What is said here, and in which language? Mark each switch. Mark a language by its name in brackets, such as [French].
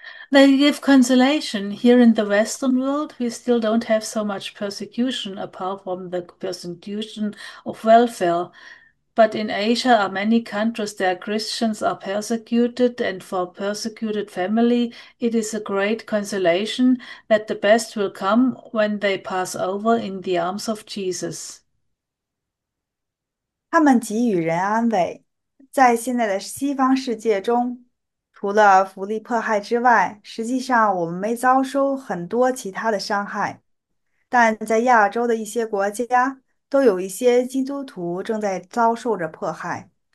[English] They give consolation. Here in the Western world, we still don't have so much persecution apart from the persecution of welfare. But in Asia, are many countries where Christians are persecuted, and for persecuted family, it is a great consolation that the best will come when they pass over in the arms of Jesus. [Chinese] 他们给予人安慰，在现在的西方世界中，除了福利迫害之外，实际上我们没遭受很多其他的伤害。但在亚洲的一些国家，都有一些基督徒正在遭受着迫害。